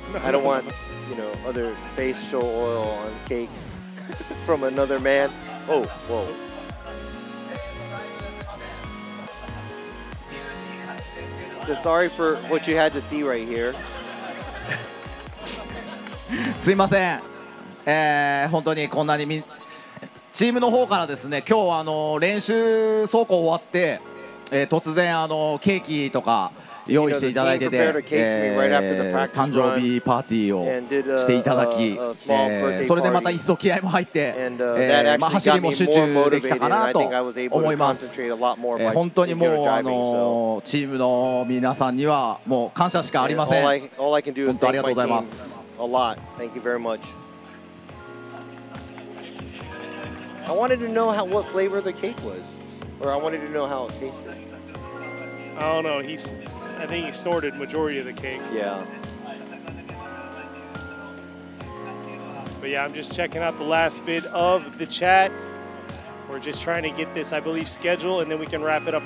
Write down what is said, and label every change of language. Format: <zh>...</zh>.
<en>I don't want, you know, other facial oil on cake from another man. Oh, whoa. So sorry for what you had to see right here.</en> <ja>すいません、本当にこんなにチームの方からですね、今日はあの練習走行終わって、突然あのケーキとか用意していただいてて、誕生日パーティーをしていただき、それでまた一層気合も入って、まあ、走りも集中できたかなと思います、本当にもうあのチームの皆さんにはもう感謝しかありません、本当ありがとうございます</ja> <en>A lot. Thank you very much. I wanted to know what flavor the cake was, or I wanted to know how it tasted. I don't know. I think he snorted majority of the cake. Yeah. But yeah, I'm just checking out the last bit of the chat. We're just trying to get this, I believe, scheduled, and then we can wrap it up.</en>